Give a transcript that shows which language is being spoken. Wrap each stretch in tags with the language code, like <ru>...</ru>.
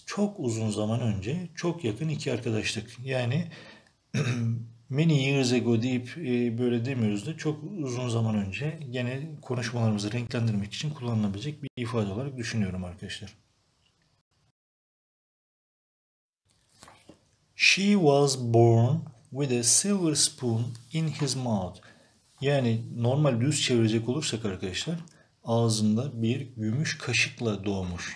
<tr>Çok uzun zaman önce çok yakın iki arkadaştık. Yani</tr> <en>many years ago</en> <tr>deyip böyle demiyoruz da çok uzun zaman önce gene konuşmalarımızı renklendirmek için kullanılabilecek bir ifade olarak düşünüyorum arkadaşlar.</tr> <en>She was born with a silver spoon in his mouth.</en> <tr>Yani normal düz çevirecek olursak arkadaşlar, ağzında bir gümüş kaşıkla doğmuş.</tr>